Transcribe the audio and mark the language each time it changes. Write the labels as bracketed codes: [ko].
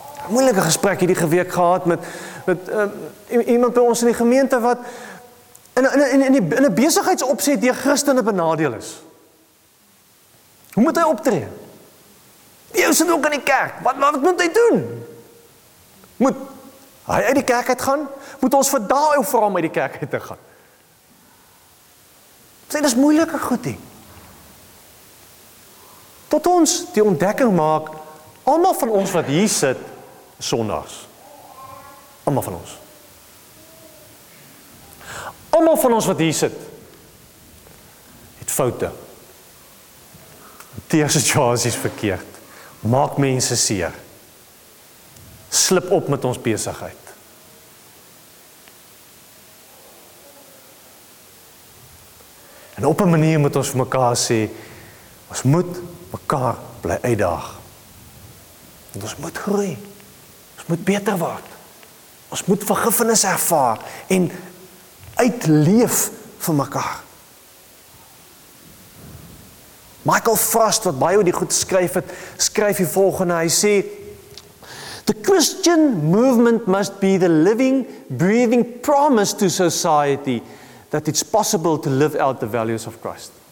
[af] Moeilike gesprek hierdie week gehad met iemand by ons in die gemeente wat in 'n besigheidsopset deur Christene benadeel is. Hoe moet hy optree? Die ou sit ook in die kerk. Wat moet hy doen? Moet hy uit die kerk uit gaan? Moet ons vir daai ou vrou uit die kerk uit te gaan? Sê, dis moeilike goedie. Tot ons die ontdekking maak, almal van ons wat hier sit, sondaars. Almal van ons. Almal van ons wat hier sit, het foute. Teer situasies verkeerd. Maak mense seer. Slip op met ons besigheid. En op 'n manier moet ons vir mekaar sê, ons moet mekaar bly uitdaag. Want ons moet groei. Ons moet beter word. Ons moet vergifnis ervaar en uitleef vir mekaar. Michael Frost, wat baie oor die goed skryf het, skryf die volgende. Hy sê, [en] "The Christian movement must be the living, breathing promise to society that it's possible to live out the values of Christ."